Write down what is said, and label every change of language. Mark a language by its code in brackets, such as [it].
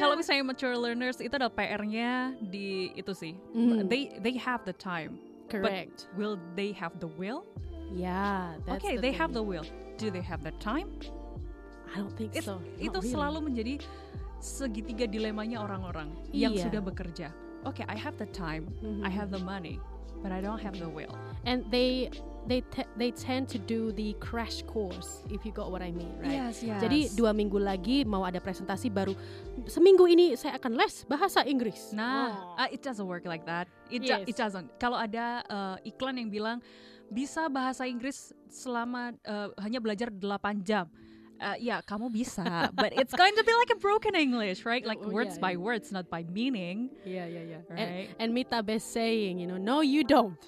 [id] Kalau misalnya mature learners itu ada PR-nya di itu sih. [en] They have the time. Correct. But will they have the will? Yeah. That's okay. The thing. Have the will. Do they have the time? I don't think so. [id] Itu selalu menjadi segitiga dilemanya orang-orang yang sudah bekerja. [en] Okay, I have the time, I have the money, but I don't have the will. And they they tend to do the crash course, if you got what I mean, right? Yes, yes. [id] Jadi dua minggu lagi mau ada presentasi baru, seminggu ini saya akan les bahasa Inggris. [en] Nah, oh. It doesn't work like that. It doesn't. [id] Kalau ada iklan yang bilang bisa bahasa Inggris selama hanya belajar 8 jam. [en] Yeah, [id] kamu bisa, [en] but it's going to be like a broken English, right? Like words by words, not by meaning. Yeah, yeah, yeah. Right. And Mita best saying, you know, no, you don't.